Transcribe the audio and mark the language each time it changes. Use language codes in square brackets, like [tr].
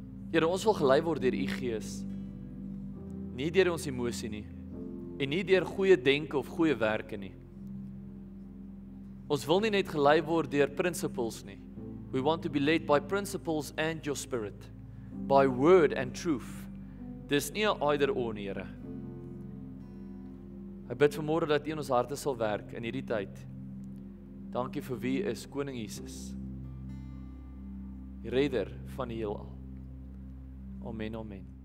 [af] Here, ons wil gelei word deur U Gees. Nie deur ons emosie nie. En nie deur goeie denke of goeie werke nie. Ons wil nie net gelei word deur principles nie. [en] We want to be led by principles and your spirit, by word and truth. [af] Dis nie [en] either or [af] nie, Here. Ek bid vanmôre dat U in ons harte sal werk in hierdie tyd. Dankie vir wie is Koning Jesus. Redder van die heelal. Amen, amen.